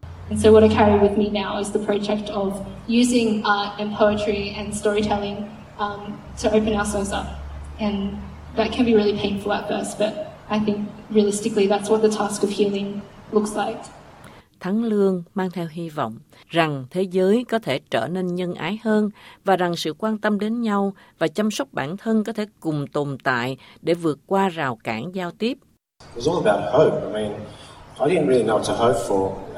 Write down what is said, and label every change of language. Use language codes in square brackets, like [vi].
[en] And so what I carry with me now is the project of using art and poetry and storytelling to open ourselves up. And that can be really painful at first, but I think realistically that's what the task of healing looks like. [vi] Thắng Lương mang theo hy vọng rằng thế giới có thể trở nên nhân ái hơn và rằng sự quan tâm đến nhau và chăm sóc bản thân có thể cùng tồn tại để vượt qua rào cản giao tiếp. [en] It was all about hope. I mean, I didn't really know what to hope for.